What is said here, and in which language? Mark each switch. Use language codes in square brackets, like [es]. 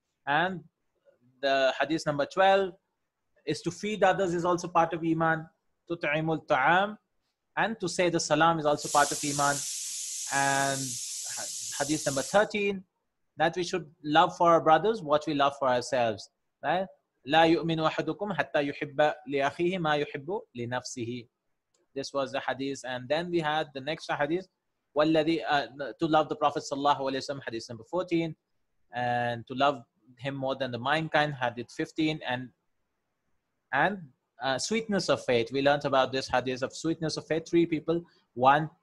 [en] And the hadith number 12 is to feed others is also part of Iman. Tut'imul ta'am. And to say the salam is also part of Iman. And hadith number 13, that we should love for our brothers what we love for ourselves. Right? [ar] لا يؤمن أحدكم حتى يحب لأخيه ما يحب لنفسه. [en] This was the hadith, and then we had the next hadith. والذي to love the Prophet [ar] صلى الله عليه وسلم, [en] hadith number 14, and to love him more than the mankind, hadith 15, and sweetness of faith. We learned about this hadith of sweetness of faith. Three people: one,